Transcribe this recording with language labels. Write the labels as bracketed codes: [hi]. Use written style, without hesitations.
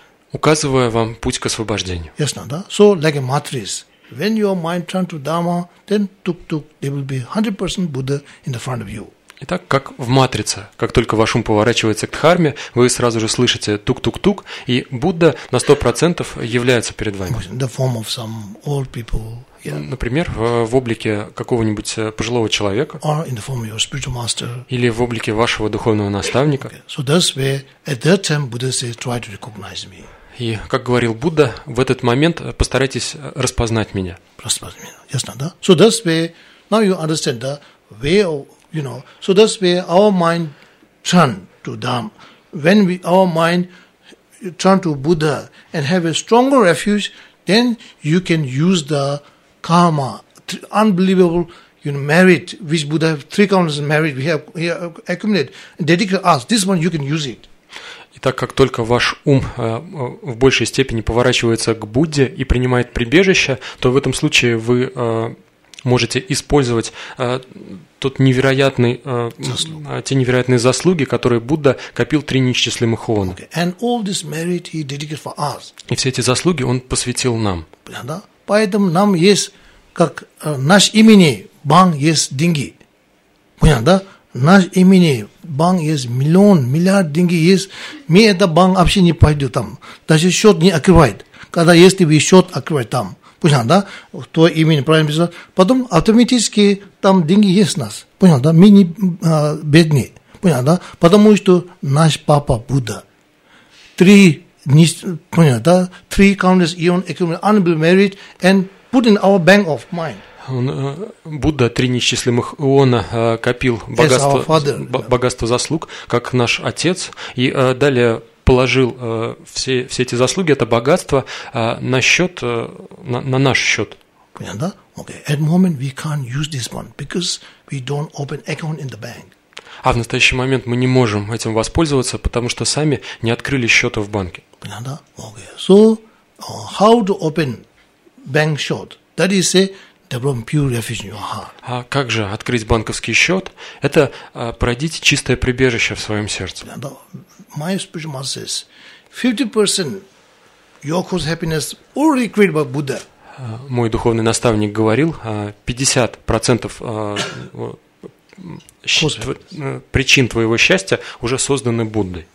[ru] Указывая вам путь к освобождению. Ясно, да? [en] So, like a matrix. When your mind turns to Dharma, then tuk-tuk, there will be 100% Buddha in the front of you. [ru] Итак, как в матрице, как только ваш ум поворачивается к дхарме, вы сразу же слышите тук-тук-тук, и Будда на 100% является перед вами. [en] The form of some old people, yeah. [ru] Например, в облике какого-нибудь пожилого человека. [en] Or in the form of your spiritual master. [ru] Или в облике вашего духовного наставника. [en] Okay. So that's where at that time Buddha says, try to recognize me. [ru] И, как говорил Будда, в этот момент постарайтесь распознать меня. Распознать меня, ясно, да? [en] So that's where, now you understand the way of, you know, so that's where our mind turn to Dham. When we, our mind turn to Buddha and have a stronger refuge, then you can use the karma, unbelievable, you know, merit, which Buddha have three counters of merit, we have accumulated, and dedicated us, this one you can use it. [ru] Итак, как только ваш ум в большей степени поворачивается к Будде и принимает прибежище, то в этом случае вы можете использовать тот невероятный, те невероятные заслуги, которые Будда копил три неисчислимых оон. [en] Okay. And all this merit he dedicated for us. [ru] И все эти заслуги он посвятил нам. Да? Поэтому нам есть, как наш имени, банк есть деньги. Понятно, да? Наш имени банк есть миллион, миллиард деньги есть. Мне это банк вообще не пойдет там. Даже счет не открывает. Когда есть тебе счет, открывай там. Понял, да? Твой имени правильно писал. Потом автоматически там деньги есть у нас. Понял, да? Мы не бедные. Понял, да? Потому что наш папа Будда. Понял, да? [en] Three countless eon accumulated unbelievable merit and put in our bank of mind. [ru] Будда три неисчислимых иона копил богатство, богатство заслуг, как наш отец, и далее положил все эти заслуги, это богатство, на счет, на наш счет. Понятно? Okay. [en] At moment we can't use this one because we don't open account in the bank. [ru] А в настоящий момент мы не можем этим воспользоваться, потому что сами не открыли счета в банке. Понятно? [en] Okay. So how to open bank счет? That is say develop pure refuge in your heart. [ru] А как же открыть банковский счет? Это пройдите чистое прибежище в своем сердце. [en] My spiritual master says, 50% your cause happiness already created by Buddha. [ru] Мой духовный наставник говорил, 50% причин твоего счастья уже созданы Буддой.